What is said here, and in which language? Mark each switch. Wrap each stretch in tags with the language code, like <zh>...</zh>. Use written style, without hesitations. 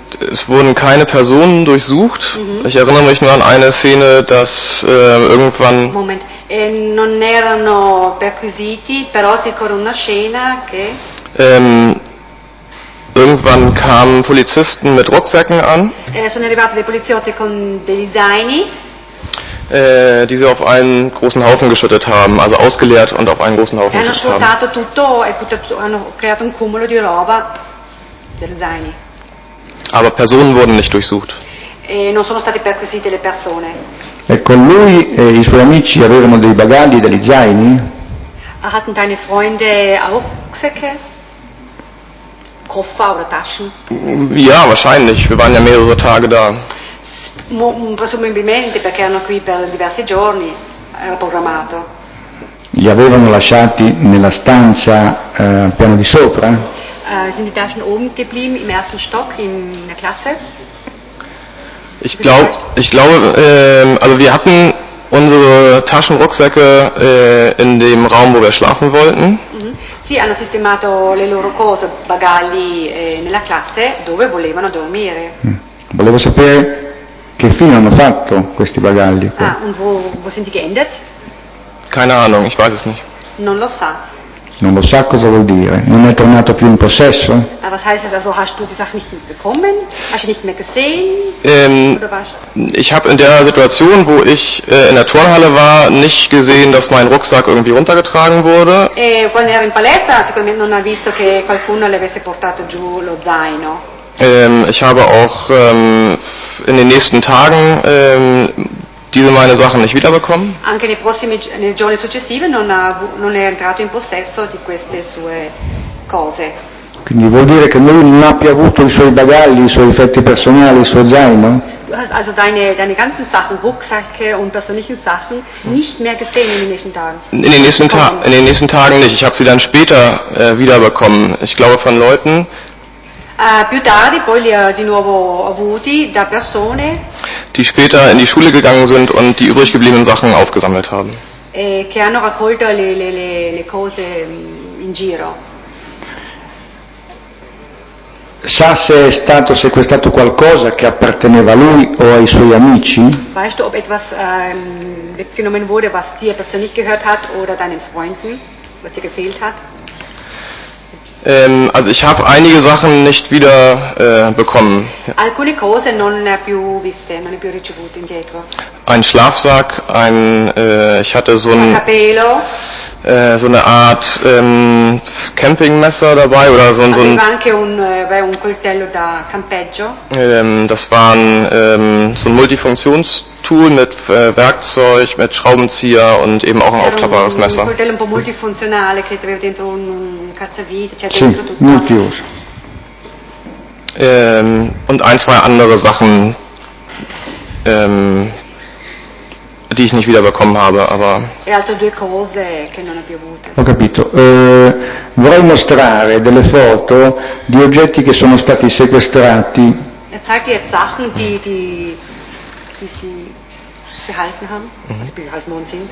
<de>Es wurden keine Personen durchsucht. Mhm. Ich erinnere mich nur an eine Szene, dass irgendwann.</de> <it>Moment, non erano perquisiti, però si corre una scena che.</it> <de>Irgendwann kamen Polizisten mit Rucksäcken an.</de> <it>Sono arrivati dei poliziotti con degli zaini.</it> <de>Die sie auf einen großen Haufen geschüttet haben, also ausgeleert und auf einen großen Haufen geschüttet haben.</de> <it>Tutto e hanno creato un cumulo di roba dei zaini.</it> <de>Aber Personen wurden nicht durchsucht.</de> <it>Non sono state perquisite le persone. Ecco, lui e i suoi amici avevano dei bagagli, degli zaini.</it> <de>Hatten deine Freunde auch Rucksäcke? Koffer oder Taschen? Ja, wahrscheinlich. Wir waren ja mehrere Tage da.</de> <it>Presumibilmente perché erano qui per diversi giorni, era programmato. Li avevano lasciati nella stanza al piano di sopra?</it> <de>Sind die Taschen oben geblieben im ersten Stock in der Klasse? Ich glaube, wir hatten unsere Taschenrucksäcke in dem Raum, wo wir schlafen wollten.</de> <it>Sì, hanno sistemato le loro cose, bagagli nella classe dove volevano dormire. Volevo sapere che fine hanno fatto questi bagagli.</it> <de>Ah, und wo sind die geendet? Keine Ahnung, ich weiß es nicht.</de> <it>Non lo sa. Non lo sa cosa vuol dire? Non è tornato più in possesso?</it> <de>Ah, was heißt es? Also hast du die Sache nicht mitbekommen? Hast du nicht mehr gesehen? Ich habe in der Situation, wo ich in der Turnhalle war, nicht gesehen, dass mein Rucksack irgendwie runtergetragen wurde.</de> <it>Quando ero in palestra, sicuramente non ha visto che qualcuno le avesse portato giù lo zaino.</it> <de>Ich habe auch in den nächsten Tagen diese meine Sachen nicht wiederbekommen.</de> <it>Anche nei prossimi giorni successivi non è entrato in possesso di queste sue cose. Quindi vuol dire che lui non ha più avuto i suoi bagagli, i suoi effetti personali, il suo zaino?</it> <de>Du hast also deine ganzen Sachen, Rucksäcke und persönlichen Sachen nicht mehr gesehen in den nächsten Tagen? In den nächsten Tagen nicht. Ich habe sie dann später wiederbekommen. Ich glaube von Leuten.</de> <it>Più tardi poi li ha di nuovo avuti da persone</it> <de>die später in die Schule gegangen sind und die übrig gebliebenen Sachen aufgesammelt haben.</de> <it>Che hanno raccolto le cose in giro. Sa se è stato sequestrato qualcosa che apparteneva a lui o ai suoi amici?</it> <de>Weißt du, ob etwas weggenommen wurde, was dir persönlich gehört hat oder deinen Freunden, was dir gefehlt hat? Also ich habe einige Sachen nicht wieder bekommen.</de> <it>Alcune cose non più viste, non più ricevute indietro.</it> <de>Ein Schlafsack, ich hatte so eine Art Campingmesser dabei oder so ein.</de> <it>Aveva anche un coltello da campeggio.</it> <de>Das waren so ein Multifunktionstool mit Werkzeug, mit Schraubenzieher und eben auch ein aufklappbares Messer.</de> <it>Un coltello un po' multifunzionale che aveva dentro un cacciavite, cioè sì, dentro tutto. Multius.</it> <de>Und ein, zwei andere Sachen, die ich nicht wiederbekommen habe, aber.</de> <it>E altre due cose che non abbia avute. Ho capito. Vorrei mostrare delle foto di oggetti che sono stati sequestrati.</it> <de>Er zeigt dir jetzt Sachen, die sie behalten haben, also behalten worden sind.</de>